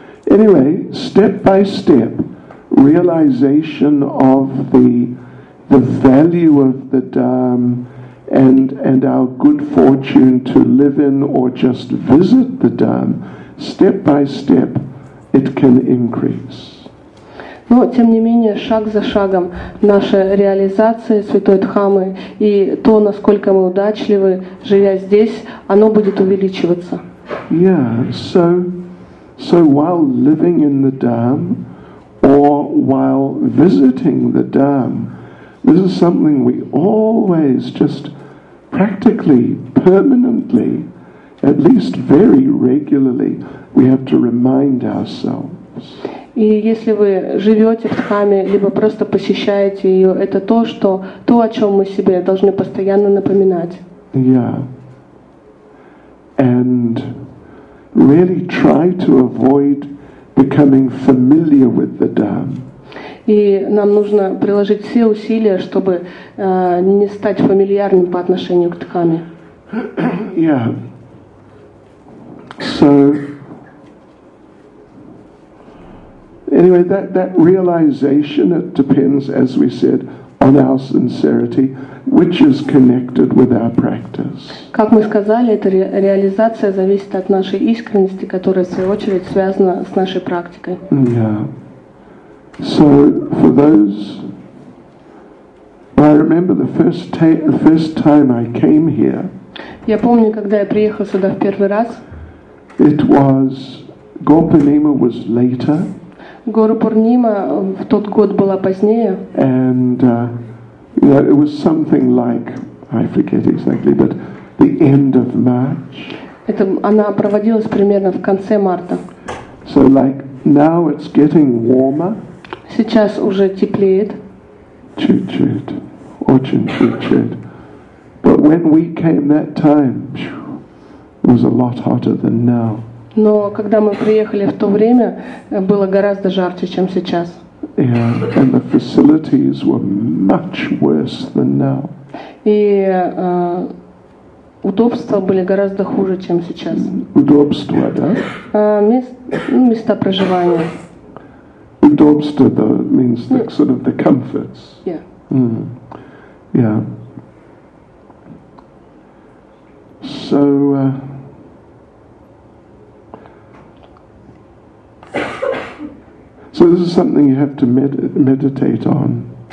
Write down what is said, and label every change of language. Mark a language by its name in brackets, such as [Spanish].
[English] Anyway, step by step, realization of the value of the dam and our good fortune to live in or just visit the dam, step by step, it can increase. [Russian] Но тем не менее, шаг за шагом, наша реализация Святой Дхамы и то, насколько мы удачливы, живя здесь, оно будет увеличиваться. [English] Yeah, so while living in the dam or while visiting the dam, this is something we always just practically, permanently, at least very regularly, we have to remind ourselves. [Russian] И если вы живете в Дхаме, либо просто посещаете ее, это то, о чем мы себе должны постоянно напоминать. [English] Yeah. And really try to avoid becoming familiar with the Dham. [Russian] И нам нужно приложить все усилия, чтобы не стать фамильярным по отношению к Дхаме. [English] Yeah. So anyway, that realization, it depends, as we said, on our sincerity, which is connected with our practice. [Russian] Как мы сказали, эта реализация зависит от нашей искренности, которая в свою очередь связана с нашей практикой. [English] Yeah. So for those, I remember the first time I came here. [Russian] Я помню, когда я приехал сюда в первый раз. [English] It was Gopurnima was later. [Russian] Гопурнима в тот год была позднее. [English] And it was something like, I forget exactly, but the end of March. [Russian] Это она проводилась примерно в конце марта. [English] So like now it's getting warmer. [Russian] Сейчас уже теплеет. Чуть-чуть. Очень чуть-чуть. [English] But when we came that time, it was a lot hotter than now. [Russian] Но когда мы приехали в то время, было гораздо жарче, чем сейчас. [English] Yeah, and the facilities were much worse than now. [Russian] И удобства были гораздо хуже, чем сейчас. Удобства, да? Места проживания. [English] Dobster, though, it means the sort of the comforts. Yeah. Mm. Yeah. So, so this is something you have to meditate on.